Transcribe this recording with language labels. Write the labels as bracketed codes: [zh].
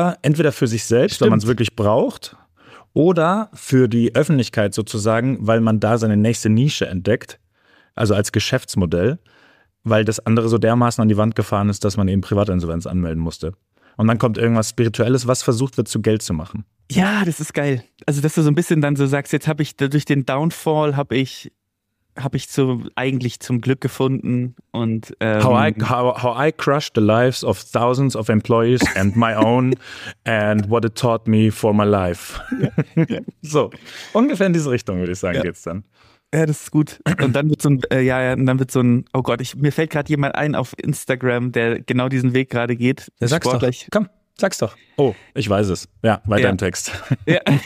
[de] Entweder für sich selbst, stimmt, weil man es wirklich braucht, oder für die Öffentlichkeit sozusagen, weil man da seine nächste Nische entdeckt, also als Geschäftsmodell, weil das andere so dermaßen an die Wand gefahren ist, dass man eben Privatinsolvenz anmelden musste. Und dann kommt irgendwas Spirituelles, was versucht wird, zu Geld zu machen. Ja, das ist geil. Also, dass du so ein bisschen dann so sagst, jetzt habe ich durch den Downfall, habe ich eigentlich zum Glück gefunden und [en] how I crushed the lives of thousands of employees and my own and what it taught me for my life. [de] So, ungefähr in diese Richtung würde ich sagen, geht's dann. Ja, das ist gut. Und dann wird so ein, oh Gott, mir fällt gerade jemand ein auf Instagram, der genau diesen Weg gerade geht. Ja, sag's doch, gleich. Komm, sag's doch. Oh, ich weiß es. Ja, weiter im Text. Ja.